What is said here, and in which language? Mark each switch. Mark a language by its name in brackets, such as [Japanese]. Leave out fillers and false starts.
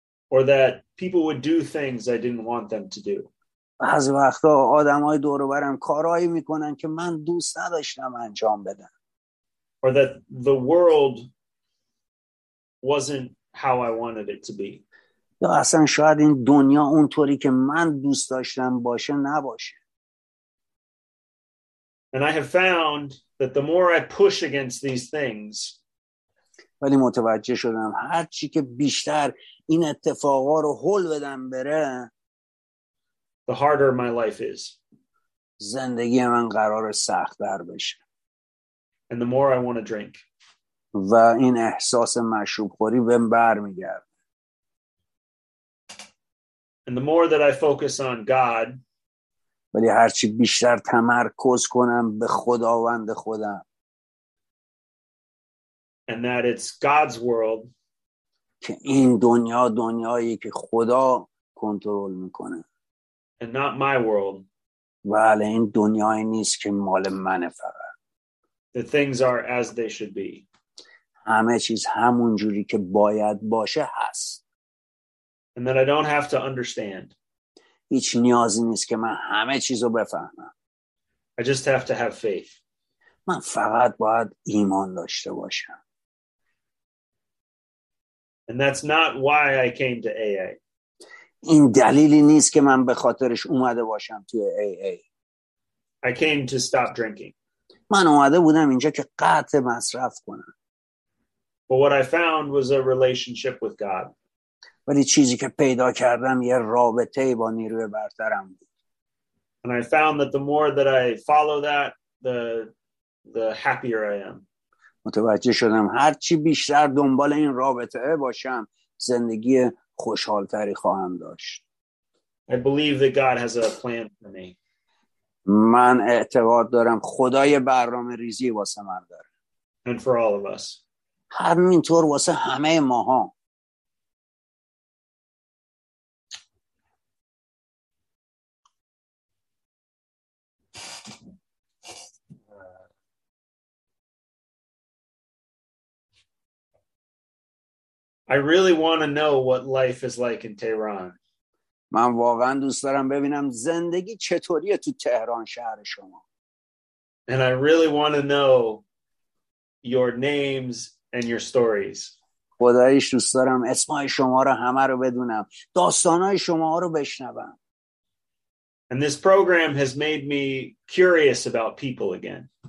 [English] Or that people would do things I didn't want them to do. [Persian] بعض وقتا آدم های دور و برم کارهایی میکنن که من دوست نداشتم انجام بدن. [English] Or that the world wasn't how I wanted it to be. [Persian] یا اصلا شاید این دنیا اونطوری که من دوست داشتم باشه نباشه. [English] And I have found that the more I push against these things. [Persian] ولی متوجه شدم هرچی که بیشتر این اتفاقا رو هل بدم بره [English] the harder my life is. [Persian] زندگی من قرار سخت‌تر بشه. [English] And the more I want to drink. [Persian] و این احساس مشروب‌خوری بهم برمیگرده. [English] And the more that I focus on God. [Persian] ولی هرچی بیشتر تمرکز کنم به خداوند خودم. [English] And that it's God's world. [Persian] که این دنیا دنیایی که خدا کنترل میکنه. [English] And not my world. [Persian] بله این دنیایی نیست که مال منه فقط. [English] The things are as they should be. [Persian] همه چیز همون جوری که باید باشه هست. [English] And that I don't have to understand. [Persian] هیچ نیازی نیست که من همه چیزو بفهمم. [English] I just have to have faith. [Persian] من فقط باید ایمان داشته باشم. [English] And that's not why I came to AA. [Persian] این دلیلی نیست که من به خاطرش اومده باشم توی AA. [English] I came to stop drinking. [Persian] من اومده بودم اینجا که قطع مصرف کنم. [English] But what I found was a relationship with God. [Persian] ولی چیزی که پیدا کردم یه رابطه با نیروی برترم بود. [English] And I found that the more that I follow that, the happier I am. [Persian] متوجه شدم هر چی بیشتر دنبال این رابطه باشم زندگی خوشحالتری خواهم داشت. [English] I believe that God has a plan for me. [Persian] من اعتقاد دارم خدای برنامه ریزی واسه من داره. [English] And for all of us. [Persian] همینطور واسه همه ماها. [English] I really want to know what life is like in Tehran. [Persian] من واقعا دوست دارم ببینم زندگی چطوریه تو تهران شهر شما. [English] And I really want to know your names and your stories. [Persian] خدایش دوست دارم اسمای شما رو همه رو بدونم. داستانای شما رو بشنوم. [English] And this program has made me curious about people again.